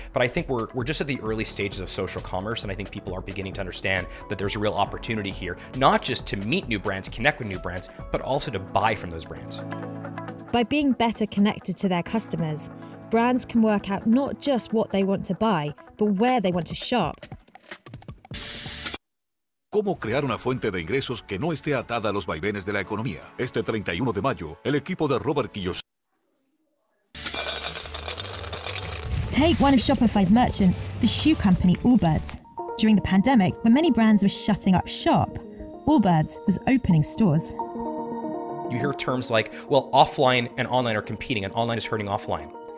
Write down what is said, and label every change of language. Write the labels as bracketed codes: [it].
[en] But I think we're just at the early stages of social commerce, and I think people are beginning to understand that there's a real opportunity here, not just to meet new brands, connect with new brands, but also to buy from those brands. By being better connected to their customers, brands can work out not just what they want to buy, but where they want to shop. [es] ¿Cómo crear una fuente de ingresos que no esté atada a los vaivenes de la economía? Este 31 de mayo, el equipo de Robert Kiyosaki. [en] Take one of Shopify's merchants, the shoe company Allbirds. During the pandemic, when many brands were shutting up shop, Allbirds was opening stores. You hear terms like, well, offline and online are competing and online is hurting offline.